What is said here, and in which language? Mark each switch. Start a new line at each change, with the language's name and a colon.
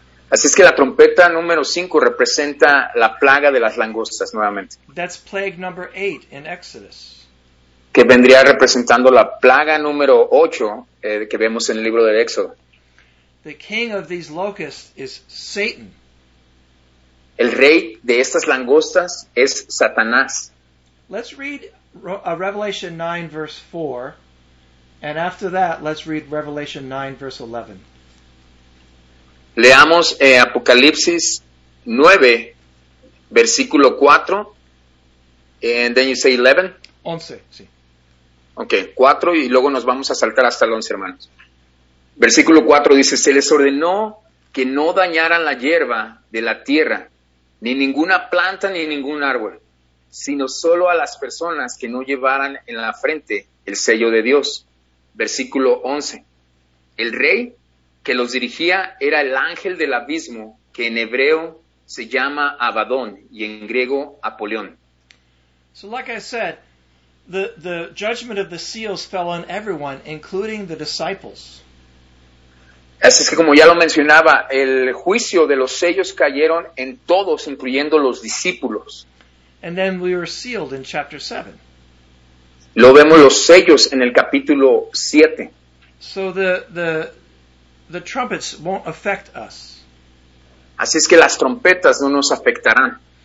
Spanish: Así es que la trompeta número 5 representa la plaga de las langostas nuevamente.
English: That's plague number 8 in Exodus.
Spanish: Que vendría representando la plaga número 8 que vemos en el libro del Éxodo.
English: The king of these locusts is Satan.
Spanish: El rey de estas langostas es Satanás.
English: Let's read Revelation 9 verse 4 and after that let's read Revelation 9 verse 11.
Spanish: Leamos Apocalipsis 9 versículo 4
English: and then you say 11?
Spanish: 11, sí. Ok, 4 y luego nos vamos a saltar hasta el 11, hermanos. Versículo 4 dice, se les ordenó que no dañaran la hierba de la tierra, ni ninguna planta ni ningún árbol, sino solo a las personas que no llevaran en la frente el sello de Dios. Versículo 11. El rey que los dirigía era el ángel del abismo, que en hebreo se llama Abadón y en griego Apolión.
English: So like I said, the judgment of the seals fell on everyone, including the disciples.
Spanish: Así es que como ya lo mencionaba, el juicio de los sellos cayeron en todos, incluyendo los discípulos.
English: And then we were sealed in chapter 7.
Spanish: Lo vemos los sellos en el capítulo 7.
English: So the trumpets won't affect us.
Spanish: Así es que las trompetas no nos afectarán.